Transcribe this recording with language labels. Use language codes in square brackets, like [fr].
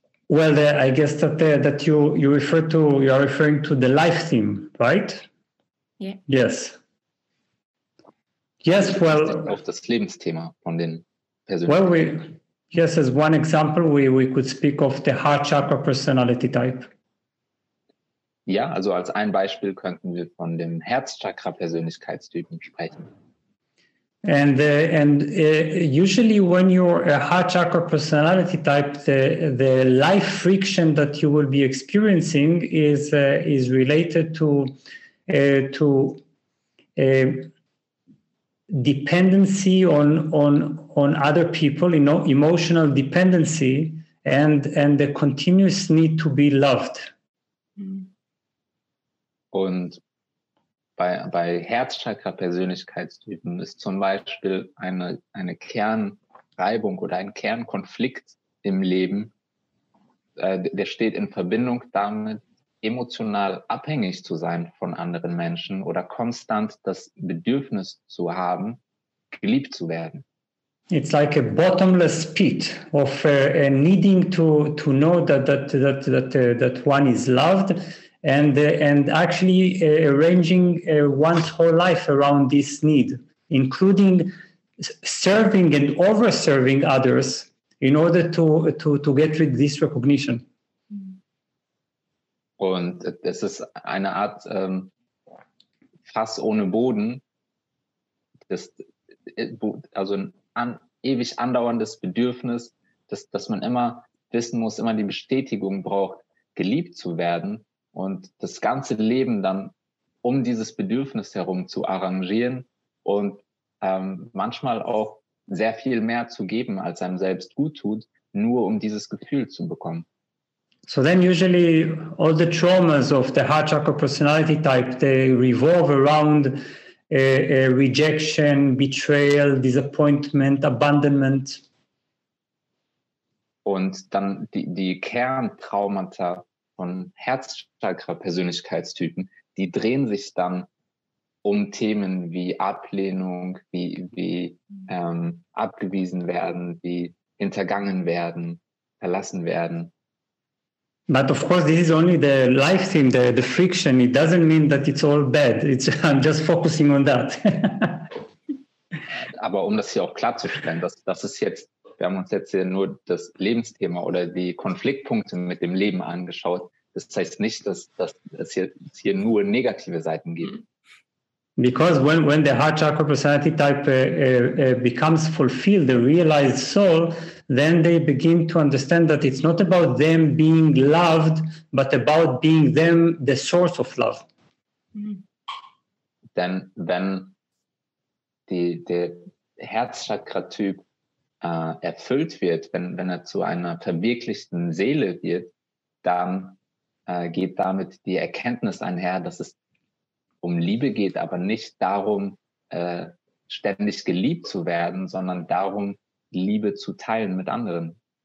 [en] Well, I guess that you are referring to the life theme, right? Yeah. Yes. Yes, well, [de] of das Lebensthema von den Persönlichkeiten. [en] Well, we, yes, as one example, we could speak of the heart chakra personality type. [de] Ja, also als ein Beispiel könnten wir von dem Herzchakra Persönlichkeitstypen sprechen. [en] And usually when you're a heart chakra personality type, the life friction that you will be experiencing is related to dependency on other people, you know, emotional dependency and the continuous need to be loved. [de] Und bei Herzchakra Persönlichkeitstypen ist zum Beispiel eine Kernreibung oder ein Kernkonflikt im Leben, der steht in Verbindung damit, emotional abhängig zu sein von anderen Menschen oder konstant das Bedürfnis zu haben, geliebt zu werden. [en] It's like a bottomless pit of a needing to know that one is loved and actually arranging one's whole life around this need, including serving and over-serving others in order to get rid of this recognition. [de] Und es ist eine Art Fass ohne Boden, das, also ein ewig andauerndes Bedürfnis, dass man immer wissen muss, immer die Bestätigung braucht, geliebt zu werden und das ganze Leben dann um dieses Bedürfnis herum zu arrangieren und manchmal auch sehr viel mehr zu geben, als einem selbst gut tut, nur um dieses Gefühl zu bekommen. [en] So then usually all the traumas of the heart chakra personality type, they revolve around a rejection, betrayal, disappointment, abandonment. [de] Und dann die Kerntraumata von Herzchakra Persönlichkeitstypen, die drehen sich dann um Themen wie Ablehnung, wie abgewiesen werden, wie hintergangen werden, verlassen werden. [en] But of course, this is only the life theme, the friction. It doesn't mean that it's all bad. I'm just focusing on that. [de] Aber um das hier auch klarzustellen, das ist jetzt, wir haben uns jetzt hier nur das Lebensthema oder die Konfliktpunkte mit dem Leben angeschaut. Das heißt nicht, dass es hier nur negative Seiten gibt. [en] Because when the heart chakra personality type becomes fulfilled, the realized soul, then they begin to understand that it's not about them being loved, but about being them the source of love. Then when the [de] Herzchakra Typ erfüllt wird, wenn er zu einer verwirklichten Seele wird, dann geht damit die Erkenntnis einher, dass es um Liebe geht, aber nicht darum, ständig geliebt zu werden, sondern darum, Liebe zu teilen mit anderen.